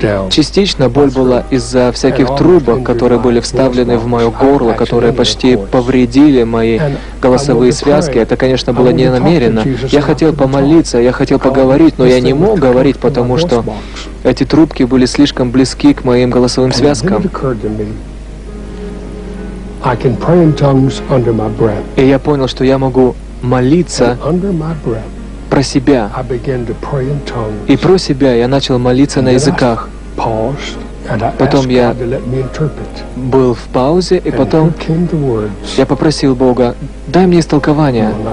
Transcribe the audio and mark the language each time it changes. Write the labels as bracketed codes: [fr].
[ru] Частично боль была из-за всяких трубок, которые были вставлены в мое горло, которые почти повредили мои голосовые связки. Это, конечно, было не намеренно. Я хотел помолиться, я хотел поговорить, но я не мог говорить, потому что эти трубки были слишком близки к моим голосовым связкам. [en] I can pray in tongues under my breath. [ru] И я понял, что я могу молиться про себя. [en] I began to pray in tongues. [ru] И про себя я начал молиться на языках. [en] I paused. [ru] Потом я был в паузе, и потом я попросил Бога: «Дай мне истолкование».